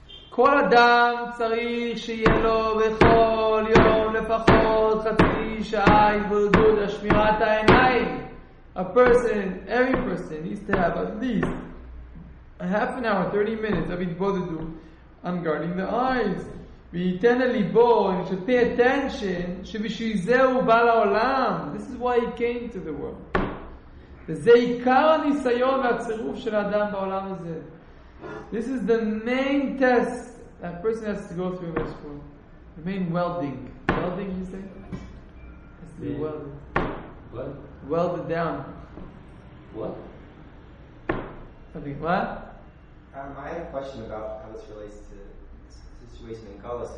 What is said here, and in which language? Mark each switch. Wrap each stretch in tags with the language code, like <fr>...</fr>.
<he>כל אדם צריך שיהיה לו בכל יום לפחות חצי שעה התבודדות לשמירת העיניים.</he> <en>A person, every person needs to have at least a half an hour, 30 minutes of התבודדות on guarding the eyes.</en> <he>וייתן לליבו,</he> <en>and he should pay attention,</en> <he>שבשביל זה הוא בא לעולם.</he> <en>This is why he came to the world.</en> <he>וזה עיקר הניסיון והצירוף של האדם בעולם הזה.</he> <en>This is the main test that a person has to go through in this world. The main welding. Welding, you say? Has to be welded. What? Welded down. What? Something. What? I have a question about how this relates to the situation in Galus.</en>